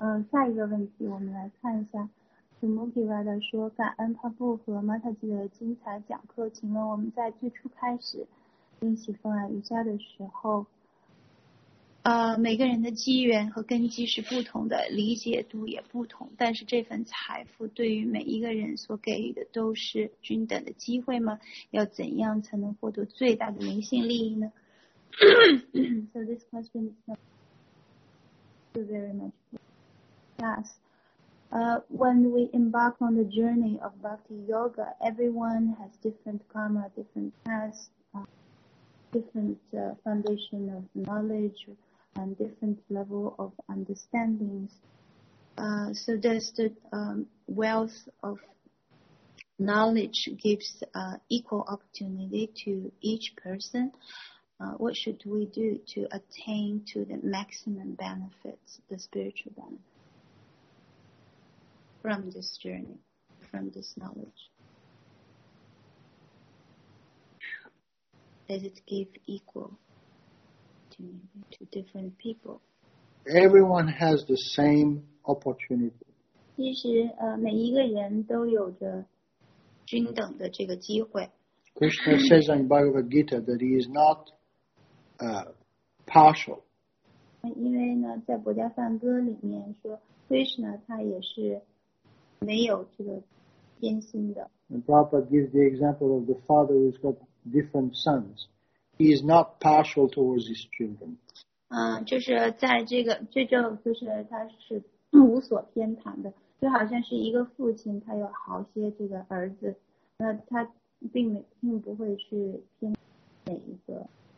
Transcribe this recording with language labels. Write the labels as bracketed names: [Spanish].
[Chinese] 下一个问题我们来看一下 Sumuki Vada 说，感恩帕布和 Mataji 的精彩讲课，请问我们在最初开始练习风爱瑜伽的时候，每个人的机缘和根基是不同的，理解度也不同，但是这份财富对于每一个人所给予的都是均等的机会吗？要怎样才能获得最大的灵性利益呢？ [English] So this question is not very much for us. When we embark on the journey of Bhakti Yoga, everyone has different karma, different paths, different foundation of knowledge, and different level of understandings. So does the wealth of knowledge gives equal opportunity to each person? What should we do to attain to the maximum benefits, the spiritual benefits from this journey, from this knowledge? Does it give equal to different people? Everyone has the same opportunity. [Chinese] 其实每一个人都有着均等的这个机会。 [English] Krishna says in Bhagavad Gita that he is not partial. [Chinese] 因为呢，在博迦梵歌里面说 ，Krishna 他也是没有这个偏心的。 [English] And Prabhupada gives the example of the father who's got different sons. He is not partial towards his children. [Chinese] 就是在这个，就是他是无所偏袒的，就好像是一个父亲，他有好些这个儿子，那他并不会去偏哪一个。